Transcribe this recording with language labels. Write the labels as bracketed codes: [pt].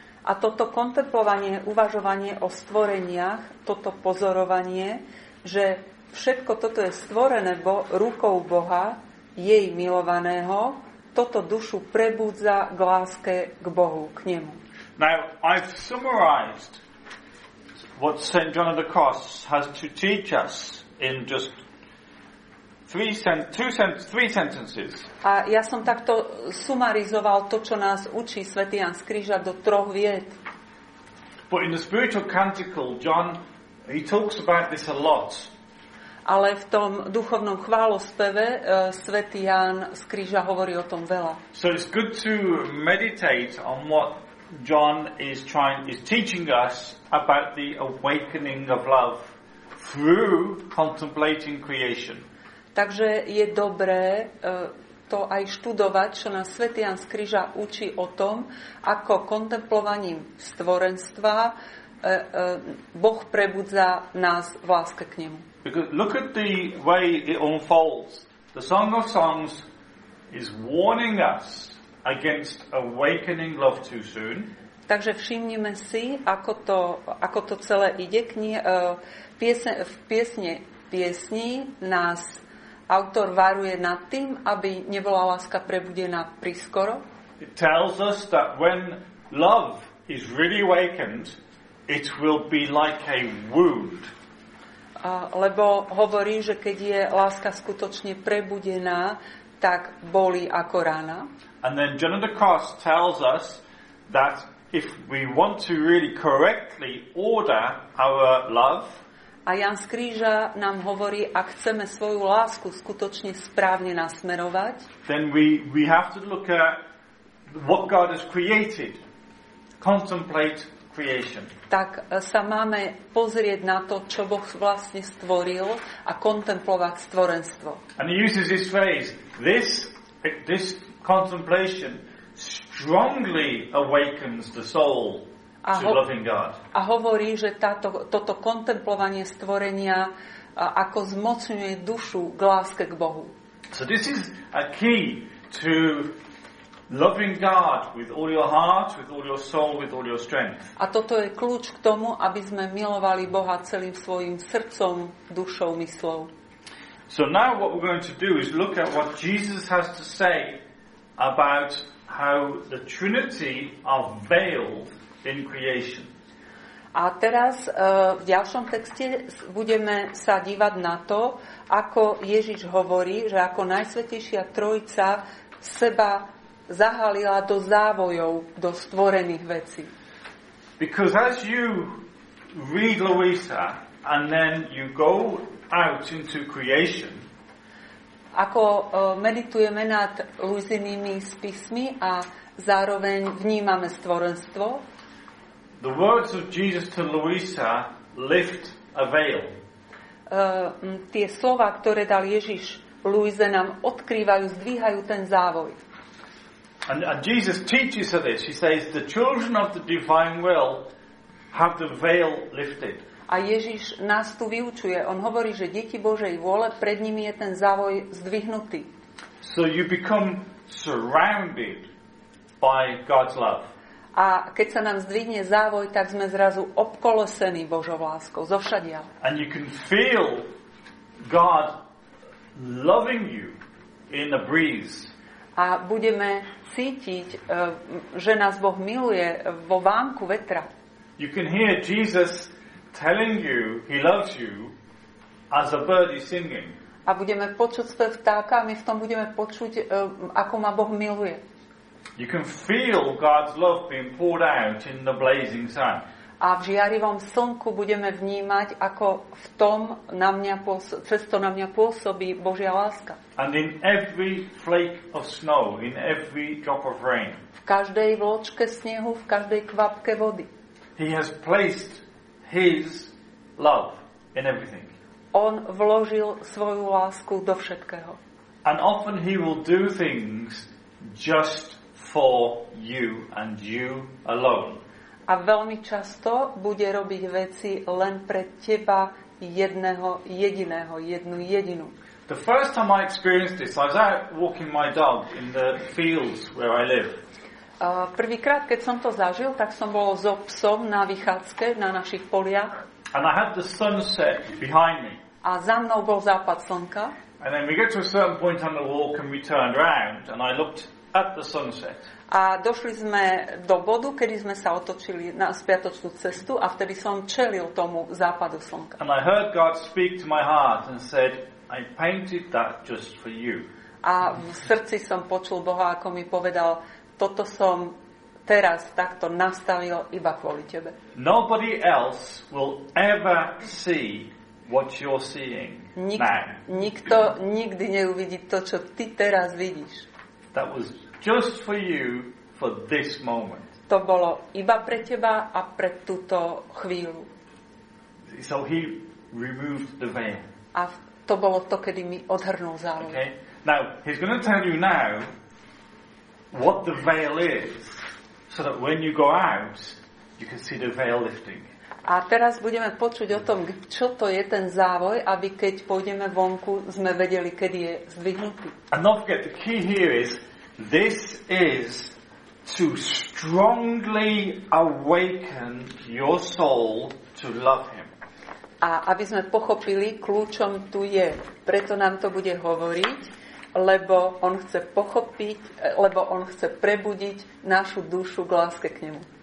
[sk] A toto kontemplovanie, uvažovanie o stvoreniach, toto pozorovanie, že všetko toto je stvorené rukou Boha, jej milovaného, toto dušu prebudza k láske k Bohu, k nemu. [en] Now, I've summarized what St. John of the Cross has to teach us in just three sentences. [sk] A ja som takto sumarizoval to, čo nás učí svätý Ján z Kríža do troch viet. [en] But in the spiritual canticle, John, he talks about this a lot. [sk] Ale v tom duchovnom chválospeve svätý Ján z Kríža hovorí o tom veľa. [en] So it's good to meditate on what John is teaching us about the awakening of love through contemplating creation. [sk] Takže je dobré to aj študovať, čo nás svätý Ján z Kríža učí o tom, ako kontemplovaním stvorenstva Boh prebudza nás v láske k nemu. [en] Because look at the way it unfolds. The Song of Songs is warning us against awakening love too soon. [sk] Takže všimnime si, ako to celé ide. V piesni nás autor varuje nad tým, aby nebola láska prebudená priskoro. [en] It tells us that when love is really awakened, it will be like a wound. [sk] Lebo hovorí, že keď je láska skutočne prebudená, tak bolí ako rána. [en] And then John of the Cross tells us that if we want to really correctly order our love, [sk] a Ján z Kríža nám hovorí, ak chceme svoju lásku skutočne správne nasmerovať, [en] then we have to look at what God has created. Contemplate creation. [sk] Tak sa máme pozrieť na to, čo Boh vlastne stvoril, a kontemplovať stvorenstvo. [en] And he uses this phrase, this contemplation strongly awakens the soul to loving God. [sk] A hovorí, že toto kontemplovanie stvorenia ako zmocňuje dušu k láske k Bohu. [en] So this is a key to loving God with all your heart, with all your soul, with all your strength. [sk] A toto je kľúč k tomu, aby sme milovali Boha celým svojim srdcom, dušou, mysľou. [en] So now what we're going to do is look at what Jesus has to say about how the Trinity are veiled in creation. [sk] A teraz v ďalšom texte budeme sa dívať na to, ako Ježiš hovorí, že ako Najsvätejšia Trojica seba zahalila do závojov, do stvorených vecí. [en] Because as you read Louisa and then you go out into creation, [sk] ako meditujeme nad Louisinými spismi a zároveň vnímame stvorenstvo, [en] the words of Jesus to Louisa lift a veil. [sk] Tie slova, ktoré dal Ježiš Louise, nám odkrývajú, zdvíhajú ten závoj. [en] And Jesus teaches her this. He says the children of the divine will have the veil lifted. [sk] A Ježiš nás tu vyučuje. On hovorí, že deti Božej vôle, pred nimi je ten závoj zdvihnutý. [en] So you become surrounded by God's love. [sk] A keď sa nám zdvihne závoj, tak sme zrazu obkolesení Božou láskou, zovšadiaľ. [en] And you can feel God loving you in the breeze. [sk] A budeme cítiť, že nás Boh miluje vo vánku vetra. [en] You can hear Jesus telling you he loves you as a bird is singing. [sk] A budeme počuť spev vtáka, my v tom budeme počuť, ako ma Boh miluje. [en] You can feel God's love being poured out in the blazing sun. [sk] A v žiarivom slnku budeme vnímať, ako v tom na mňa pôsobí Božia láska. [en] And in every flake of snow, in every drop of rain. [sk] V každej vločke snehu, v každej kvapke vody. [en] He has placed his love in everything. [sk] On vložil svoju lásku do všetkého. [en] And often he will do things just for you and you alone. [sk] A veľmi často bude robiť veci len pre teba jedinú. [en] The first time I experienced this, I was out walking my dog in the fields where I live. [sk] Prvýkrát, keď som to zažil, tak som bol so psom na vychádzke na našich poliach. [en] And I had the sunset behind me. [sk] A za mnou bol západ slnka. [en] And then we get to a certain point on the walk and we turned around and I looked at the sunset. [sk] A došli sme do bodu, kedy sme sa otočili na spiatočnú cestu a vtedy som čelil tomu západu slnka. [en] And I heard God speak to my heart and said, I painted that just for you. [sk] A v srdci som počul Boha, ako mi povedal, toto som teraz takto nastavil iba kvôli tebe. [en] Nobody else will ever see what you're seeing. [sk] Nikto nikdy neuvidí to, čo ty teraz vidíš. [en] That was just for you for this moment. [sk] To bolo iba pre teba a pre túto chvíľu. [en] So he removed the veil. [sk] A to bolo to, kedy mi odhrnul závoj. [en] Okay. Now he's going to tell you now what the veil is so that when you go out you can see the veil lifting. [sk] A teraz budeme počuť o tom, čo to je ten závoj, aby keď pôjdeme vonku, sme vedeli, kedy je zdvihnutý. [en] And don't forget, the key here is this is to strongly awaken your soul to love him. [sk] A aby sme pochopili, kľúčom tu je, preto nám to bude hovoriť, lebo on chce pochopiť, lebo on chce prebudiť našu dušu k láske k nemu.